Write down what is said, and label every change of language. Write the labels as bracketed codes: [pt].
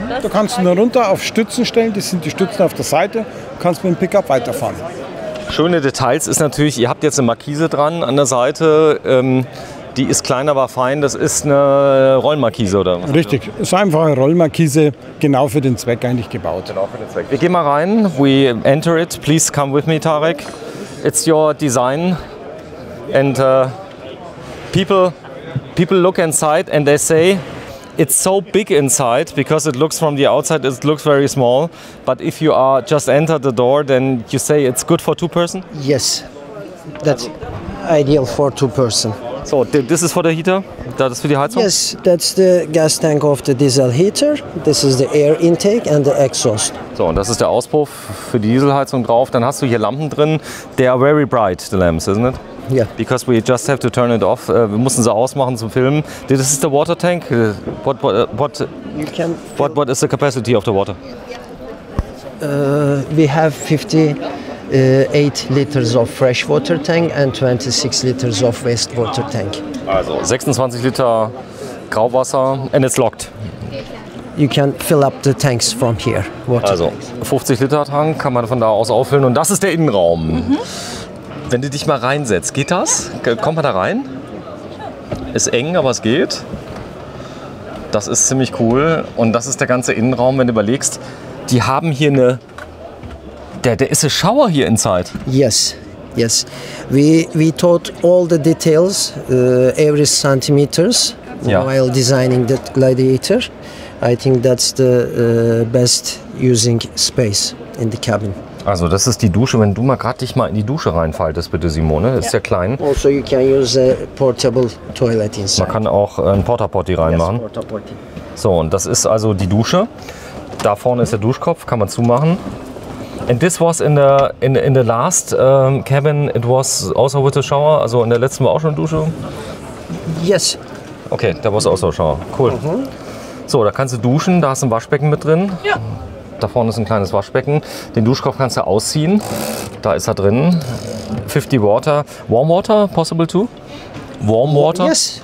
[de] Du kannst ihn runter auf Stützen stellen, das sind die Stützen auf der Seite, du kannst mit dem Pickup weiterfahren. Schöne Details ist natürlich, ihr habt jetzt eine Markise dran an der Seite, die ist klein, aber fein, das ist eine Rollmarkise, oder? Richtig, ist einfach eine Rollmarkise, genau für den Zweck eigentlich gebaut. Genau für den Zweck. Wir gehen mal rein, [en] we enter it, please come with me, Tarek. It's your design and people look inside and they say it's so big inside because it looks from the outside, it looks very small. But if you are just enter the door, then you say it's good for two person? Yes, that's also ideal for two person. So this is for the heater? That is for the Heizung? Yes, that's the gas tank of the diesel heater. This is the air intake and the exhaust. [de] So, und das ist der Auspuff für die Dieselheizung drauf. Dann hast du hier Lampen drin. [en] They are very bright, the lamps, isn't it? Yeah. Because we just have to turn it off. [de] Wir mussten sie ausmachen zum Filmen. [en] This is the water tank. What is the capacity of the water? We have 58 liters of fresh water tank and 26 liters of waste water tank. [de] Also 26 Liter Grauwasser [en] and it's locked. You can fill up the tanks from here. Water also tanks. [de] 50 Liter Tank kann man von da aus auffüllen und das ist der Innenraum. Mhm. Wenn du dich mal reinsetzt, geht das? Kommt man da rein? Ist eng, aber es geht. Das ist ziemlich cool. Und das ist der ganze Innenraum, wenn du überlegst. Die haben hier eine... Der ist ein Shower hier inside. [en] Yes, yes. We taught all the details, every centimeters, [de] ja. [en] While designing the gladiator. I think that's the best using space in the cabin. [de] Also das ist die Dusche, wenn du mal gerade dich mal in die Dusche reinfaltest, bitte Simone, ist ja klein. [en] Also you can use a portable toilet inside. [de] Man kann auch ein Porta-Potty reinmachen. [en] Yes, Porta-Potty. [de] So, und das ist also die Dusche. Da vorne ist der Duschkopf, kann man zumachen. [en] And this was in the last cabin, it was also with a shower, [de] also in der letzten war auch schon Dusche? [en] Yes. Okay, da war es auch so ein Shower, cool. Mhm. So, da kannst du duschen, da hast du ein Waschbecken mit drin. [de] Ja. Da vorne ist ein kleines Waschbecken. Den Duschkopf kannst du ausziehen. Da ist er drin. 50 Water. [en] Warm Water possible too? Warm Water? Yes.